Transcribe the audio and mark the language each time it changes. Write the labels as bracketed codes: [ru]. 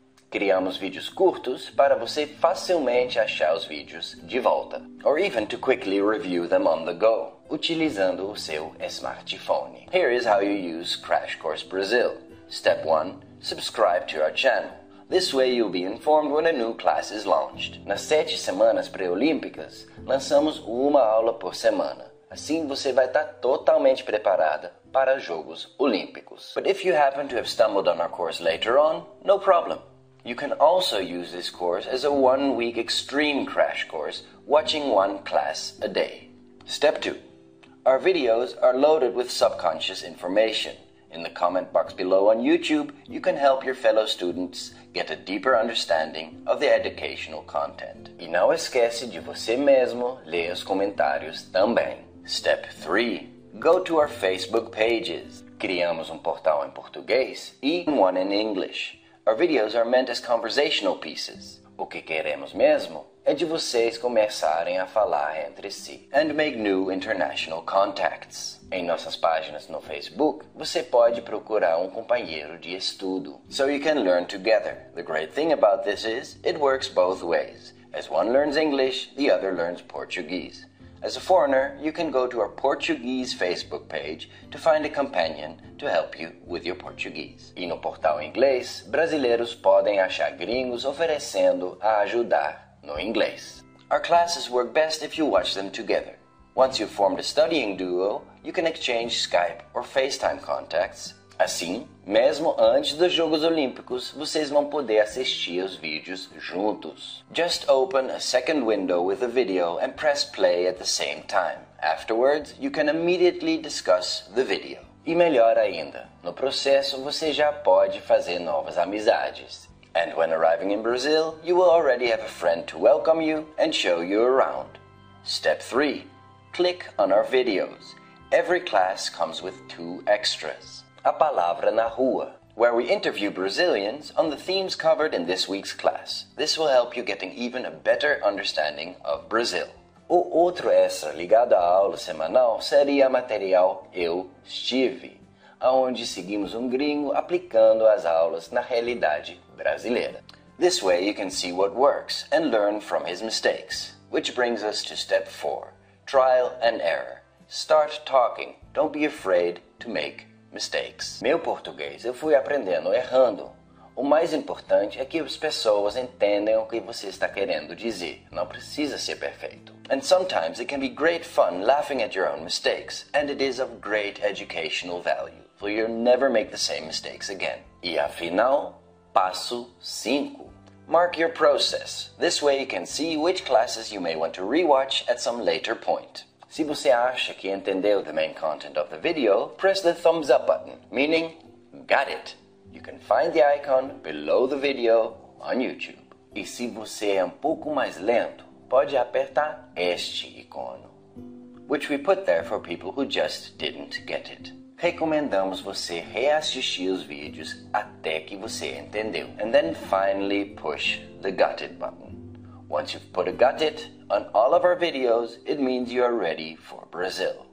[pt] Criamos vídeos curtos para você facilmente achar os vídeos de volta, [en] or even to quickly review them on the go, [pt] utilizando o seu smartphone. [en] Here is how you use Crash Course Brazil. Step 1. Subscribe to our channel. This way you'll be informed when a new class is launched. [pt] Nas 7 semanas pré-olímpicas, lançamos uma aula por semana. Assim você vai estar totalmente preparada para os Jogos Olímpicos. [en] But if you happen to have stumbled on our course later on, no problem. You can also use this course as a one-week extreme crash course, watching one class a day. Step 2. Our videos are loaded with subconscious information. In the comment box below on YouTube, you can help your fellow students get a deeper understanding of the educational content. [pt] E não esquece de você mesmo ler os comentários também. [en] Step 3. Go to our Facebook pages. [pt] Criamos portal em português e [en] one in English. Our videos are meant as conversational pieces. [pt] O que queremos mesmo é de vocês começarem a falar entre si [en] and make new international contacts. [pt] Em nossas páginas no Facebook, você pode procurar companheiro de estudo. [en] So you can learn together. The great thing about this is it works both ways. As one learns English, the other learns Portuguese. As a foreigner, you can go to our Portuguese Facebook page to find a companion to help you with your Portuguese. [pt] E no portal inglês, brasileiros podem achar gringos oferecendo a ajudar no inglês. [en] Our classes work best if you watch them together. Once you've formed a studying duo, you can exchange Skype or FaceTime contacts. [pt] Assim, mesmo antes dos Jogos Olímpicos, vocês vão poder assistir os vídeos juntos. [en] Just open a second window with the video and press play at the same time. Afterwards, you can immediately discuss the video. [pt] E melhor ainda, no processo você já pode fazer novas amizades. [en] And when arriving in Brazil, you will already have a friend to welcome you and show you around. Step 3. Click on our videos. Every class comes with two extras. A Palavra na Rua, where we interview Brazilians on the themes covered in this week's class. This will help you getting even a better understanding of Brazil. [pt] O outro extra ligado à aula semanal seria material Eu Estive, onde seguimos gringo aplicando as aulas na realidade brasileira. [en] This way you can see what works and learn from his mistakes. Which brings us to step 4, trial and error. Start talking, don't be afraid to make mistakes. [pt] Meu português eu fui aprendendo errando. O mais importante é que as pessoas entendam o que você está querendo dizer. Não precisa ser perfeito. [en] And sometimes it can be great fun laughing at your own mistakes, and it is of great educational value, for you'll never make the same mistakes again. [pt] E afinal, passo 5. [en] Mark your process. This way you can see which classes you may want to rewatch at some later point. [pt] Se você acha que entendeu [en] the main content of the video, press the thumbs up button, meaning, got it. You can find the icon below the video on YouTube. [pt] E se você é pouco mais lento, pode apertar este ícone, [en] which we put there for people who just didn't get it. [pt] Recomendamos você reassistir os vídeos até que você entendeu. [en] And then finally push the got it button. Once you've put a got it on all of our videos, it means you are ready for Brazil.